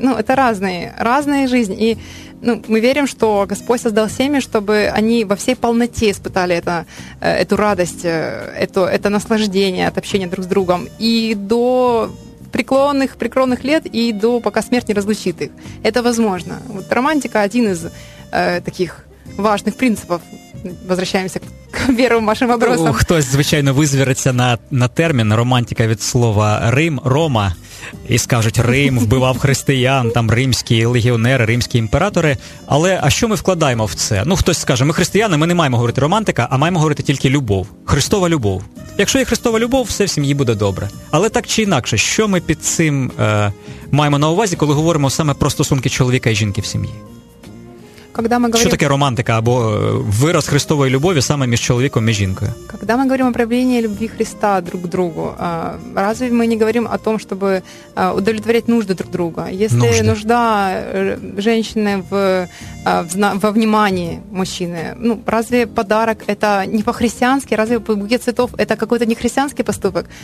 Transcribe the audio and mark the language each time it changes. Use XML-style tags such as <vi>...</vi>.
<ru>Ну, это разные жизни. И, ну, мы верим, что Господь создал семьи, чтобы они во всей полноте испытали эту радость, это наслаждение от общения друг с другом. И до преклонных лет и до пока смерть не разлучит их. Это возможно. Вот романтика – один из таких важных принципов. Возвращаемся к первым вашим вопросам.</ru> <uk>Хтось, звичайно, вызверится на термин «романтика» від слова «Рим», «Рома». І скажуть, Рим вбивав християн, там римські легіонери, римські імператори. Але а що ми вкладаємо в це? Ну, хтось скаже, ми християни, ми не маємо говорити романтика, а маємо говорити тільки любов. Христова любов. Якщо є Христова любов, все в сім'ї буде добре. Але так чи інакше, що ми під цим маємо на увазі, коли говоримо саме про стосунки чоловіка і жінки в сім'ї?</uk> <ru>когда мы говорим... Что такое романтика або вырос Христовой любови самой между человеком и женкой? Когда мы говорим о проявлении любви Христа друг к другу, разве мы не говорим о том, чтобы удовлетворять нужды друг друга? Если нужды. Нужда женщины во внимании мужчины, ну, разве подарок это не по-христиански, разве букет цветов это какой-то не христианский поступок?</ru>